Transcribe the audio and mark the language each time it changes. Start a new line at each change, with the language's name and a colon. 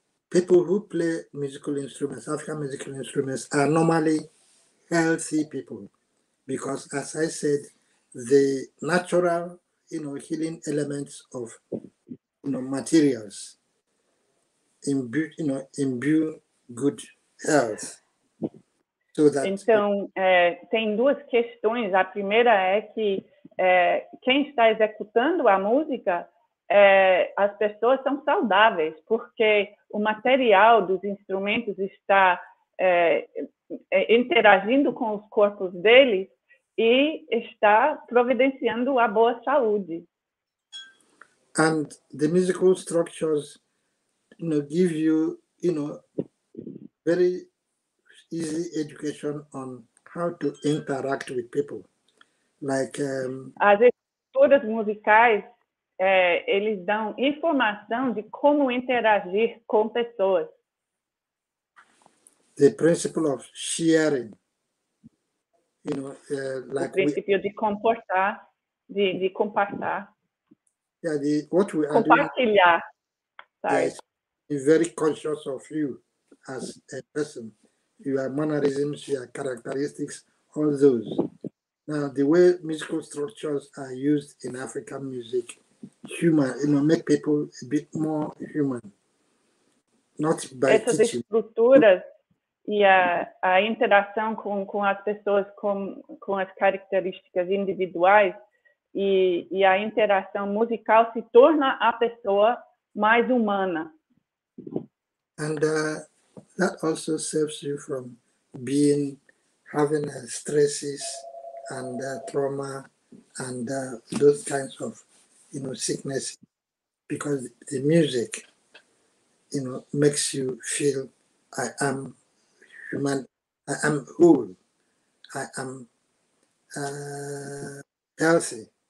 English: People who play musical instruments, African musical instruments, are normally healthy people because, as I said, the natural, you know, healing elements of, you know, materials imbue good health. So that
Portuguese: tem duas questões. A primeira é que quem está executando a música, as pessoas são saudáveis, porque o material dos instrumentos está interagindo com os corpos deles e está providenciando a boa saúde.
English: And the musical structures, you know, give you, you know, very easy education on how to interact with people. Like,
Portuguese: as estruturas musicais, eles dão informação de como interagir com pessoas.
English: The principle of sharing, you know, like
Portuguese: o princípio de comportar, de compartilhar.
English: Yeah, the what we are
Portuguese: compartilhar.
English: Yes, yeah, very conscious of you as a person, your mannerisms, your characteristics, all those. Now, the way musical structures are used in African music, human, you know, make people a bit more human. Not by
Portuguese: essas
English: teaching.
Portuguese: Estruturas e a interação com as pessoas com as características individuais e a interação musical se torna a pessoa mais humana.
English: And that also saves you from being having stresses and trauma and those kinds of, you know, sickness, because the music, you know, makes you feel I am human, I am whole, I am healthy.